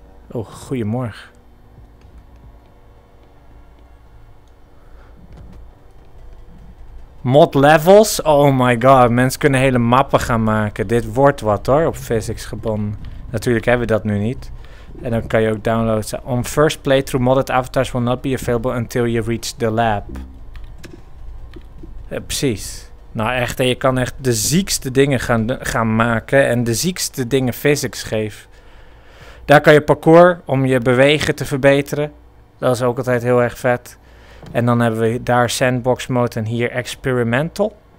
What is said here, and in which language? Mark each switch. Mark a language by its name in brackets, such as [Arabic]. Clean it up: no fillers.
[Dutch] Oh, goedemorgen. Mod levels. Oh my god. Mensen kunnen hele mappen gaan maken. Dit wordt wat hoor. Op physics gebonden. Natuurlijk hebben we dat nu niet. En dan kan je ook downloaden. [English] On first playthrough, modded avatars will not be available until you reach the lab. [Dutch] Precies. Nou echt, je kan echt de ziekste dingen gaan maken. En de ziekste dingen physics geven. Daar kan je parcours om je bewegen te verbeteren. Dat is ook altijd heel erg vet. En dan hebben we daar sandbox mode en hier experimental.